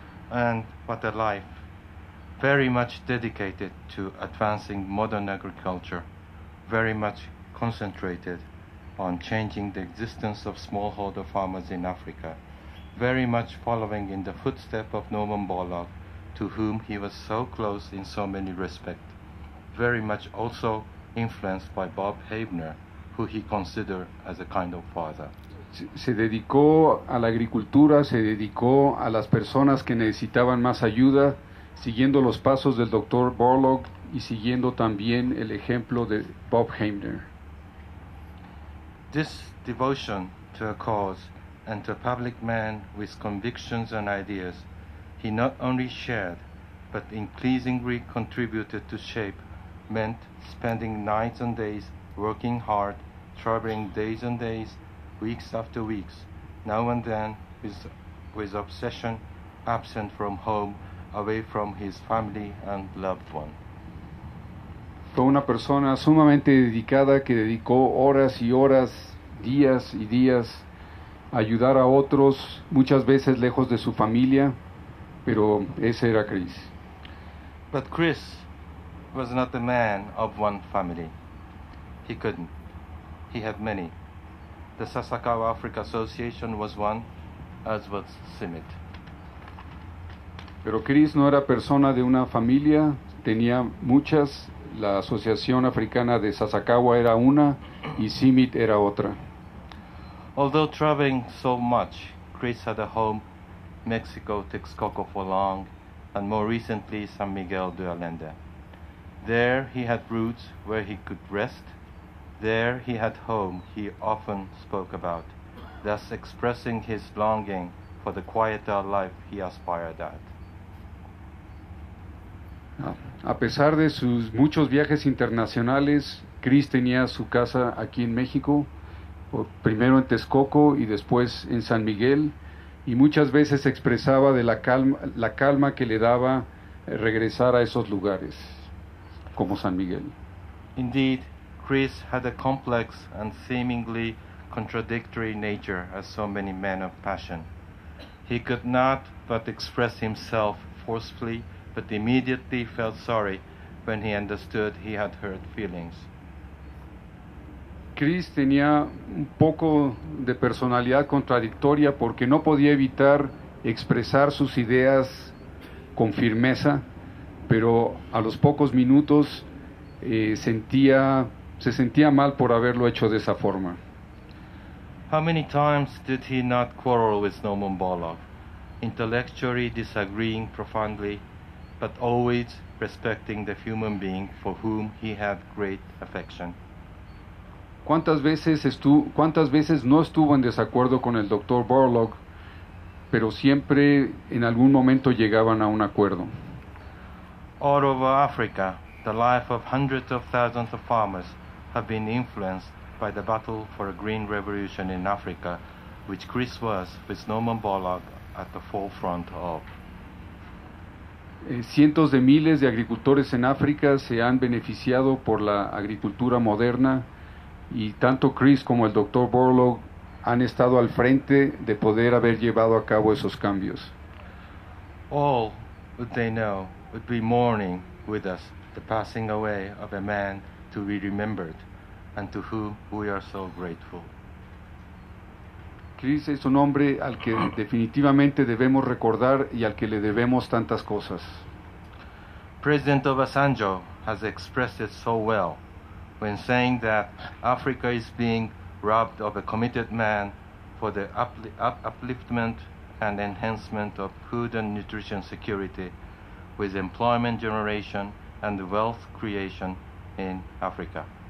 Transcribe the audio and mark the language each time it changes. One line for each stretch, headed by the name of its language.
English: And what a life, very much dedicated to advancing modern agriculture, very much concentrated on changing the existence of smallholder farmers in Africa, very much following in the footsteps of Norman Borlaug, to whom he was so close in so many respects, very much also influenced by Bob Heibner, who he considered as a kind of father.
Spanish: Se dedicó a la agricultura, se dedicó a las personas que necesitaban más ayuda, siguiendo los pasos del doctor Borlaug y siguiendo también el ejemplo de Bob Heibner.
English: This devotion to a cause and to a public man with convictions and ideas he not only shared but increasingly contributed to shape meant spending nights and days working hard, traveling days and days, weeks after weeks, now and then with obsession, absent from home, away from his family and loved one.
Spanish: Fue una persona sumamente dedicada que dedicó horas y horas, días y días, ayudar a otros, muchas veces lejos de su familia, pero ese era Chris.
English: But Chris was not the man of one family. He couldn't. he had many. The Sasakawa Africa Association was one, as was CIMIT.
Spanish: Pero Chris no era persona de una familia, tenía muchas. La Asociación Africana de Sasakawa era una y CIMIT era otra.
English: Although traveling so much, Chris had a home, Mexico, Texcoco for long, and more recently San Miguel de Allende. There he had roots where he could rest. There he had home he often spoke about, thus expressing his longing for the quieter life he aspired at.
Spanish: A pesar de sus muchos viajes internacionales, Chris tenía su casa aquí en México, primero en Texcoco y después en San Miguel, y muchas veces expresaba de la calma que le daba regresar a esos lugares, como San Miguel.
English: Indeed, Chris had a complex and seemingly contradictory nature as so many men of passion. He could not but express himself forcefully, but immediately felt sorry when he understood he had hurt feelings.
Spanish: Chris tenía un poco de personalidad contradictoria porque no podía evitar expresar sus ideas con firmeza, pero a los pocos minutos se sentía mal por haberlo hecho de esa forma.
English: How many times did he not quarrel with Norman Borlaug, intellectually disagreeing profoundly, but always respecting the human being for whom he had great affection?
Spanish: ¿Cuántas veces no estuvo en desacuerdo con el Dr. Borlaug, pero siempre en algún momento llegaban a un acuerdo?
English: All over Africa, the life of hundreds of thousands of farmers have been influenced by the battle for a green revolution in Africa, which Chris was, with Norman Borlaug, at the forefront of.
Spanish: Cientos de miles de agricultores en África se han beneficiado por la agricultura moderna, y tanto Chris como el Dr. Borlaug han estado al frente de poder haber llevado a cabo esos cambios.
English: All would they know would be mourning with us the passing away of a man to be remembered and to whom we are so grateful.
Spanish: Chris es un hombre al que definitivamente debemos recordar y al que le debemos tantas cosas.
English: President Obasanjo has expressed it so well when saying that Africa is being robbed of a committed man for the upliftment and enhancement of food and nutrition security with employment generation and wealth creation in Africa.